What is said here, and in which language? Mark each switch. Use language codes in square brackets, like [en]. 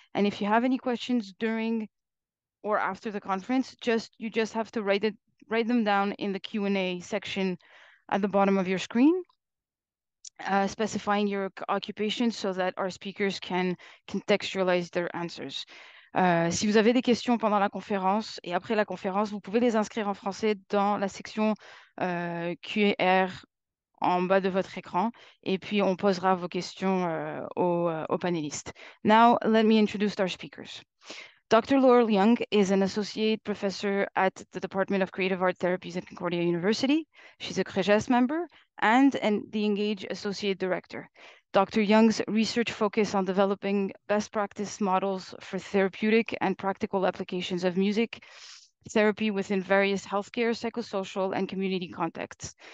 [en] And if you have any questions during or after the conference, you just have to write them down in the Q&A section at the bottom of your screen, specifying your occupation so that our speakers can contextualize their answers. [fr] Si vous avez des questions pendant la conférence et après la conférence, vous pouvez les inscrire en français dans la section QR en bas de votre écran, et puis on posera vos questions aux panélistes. [en] Now, let me introduce our speakers. Dr. Laurel Young is an associate professor at the Department of Creative Art Therapies at Concordia University. She's a CREGÉS member and the engAGE associate director. Dr. Young's research focuses on developing best practice models for therapeutic and practical applications of music therapy within various healthcare, psychosocial, and community contexts.